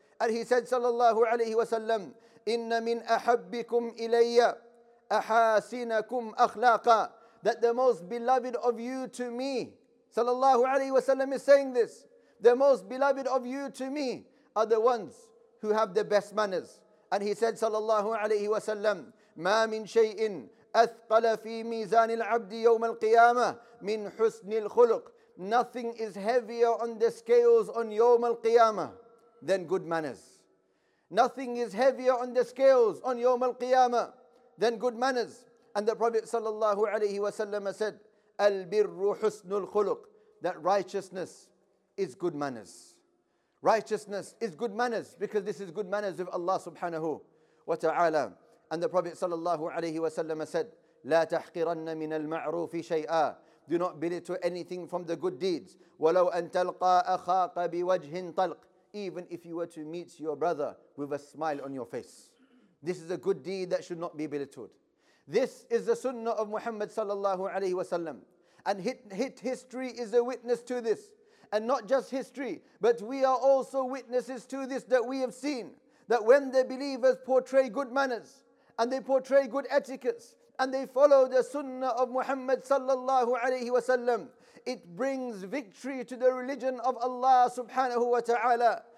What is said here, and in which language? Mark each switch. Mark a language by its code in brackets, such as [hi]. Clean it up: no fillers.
[en] And he said sallallahu alaihi wasallam, [ar] إِنَّ مِنْ أَحَبِّكُمْ إِلَيَّ أَحَاسِنَكُمْ أَخْلَاقًا. [en] That the most beloved of you to me, sallallahu alaihi wasallam is saying this, the most beloved of you to me are the ones who have the best manners. And he said sallallahu alaihi wasallam, [ar] مَا مِنْ شَيْءٍ أثقل في ميزان العبد يوم القيامة من حسن الخلق. [en] Nothing is heavier on the scales on [ar] يوم القيامة [en] than good manners. Nothing is heavier on the scales on [ar] يوم القيامة [en] than good manners. And the Prophet صلى الله عليه وسلم said, [ar] البر حسن الخلق. [en] That righteousness is good manners. Righteousness is good manners, because this is good manners of Allah subhanahu wa ta'ala. And the Prophet sallallahu alayhi wa sallam said, [ar] لا تحقرن من المعروف شيئا. [en] Do not belittle anything from the good deeds. [ar] ولو أن تلقى أخاك بوجه طلق. [en] Even if you were to meet your brother with a smile on your face. This is a good deed that should not be belittled. This is the sunnah of Muhammad sallallahu alayhi wa sallam. And hit history is a witness to this. And not just history, but we are also witnesses to this, that we have seen that when the believers portray good manners and they portray good etiquettes and they follow the sunnah of Muhammad sallallahu alayhi wa sallam, it brings victory to the religion of Allah subhanahu wa ta'ala.